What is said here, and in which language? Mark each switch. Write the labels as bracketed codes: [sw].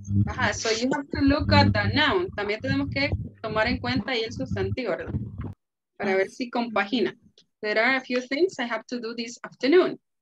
[en] Ajá, so you have to look at the noun. [es] También tenemos que tomar en cuenta ahí el sustantivo, ¿verdad? Para ver si compagina. [en] There are a few things I have to do this afternoon.